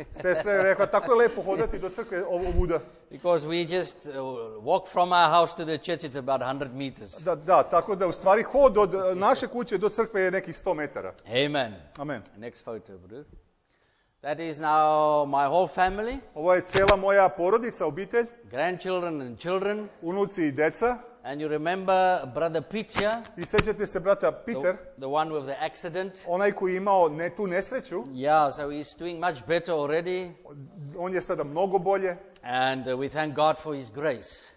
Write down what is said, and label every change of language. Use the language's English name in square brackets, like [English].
[Serbian] Sestra je rekla, tako je lepo hodati do crkve ovuda. [English] Because we just walk from our house to the church, it's about 100 meters. [Serbian] Da, tako da u stvari hod od naše kuće do crkve je nekih 100 metara. [English] Amen. Amen. Next photo, bro. That is now my whole family. [Serbian] Ovo je cijela moja porodica, obitelj. [English] Grandchildren and children. [Serbian] Unuci i deca. [English] And you remember brother Peter? [Serbian] I sjećate se brata Peter? [English] The one with the accident. [Serbian] Onaj koji imao tu nesreću. [English] Yeah, so he's doing much better already. [Serbian] On je sada mnogo bolje. [English] And we thank God for his grace.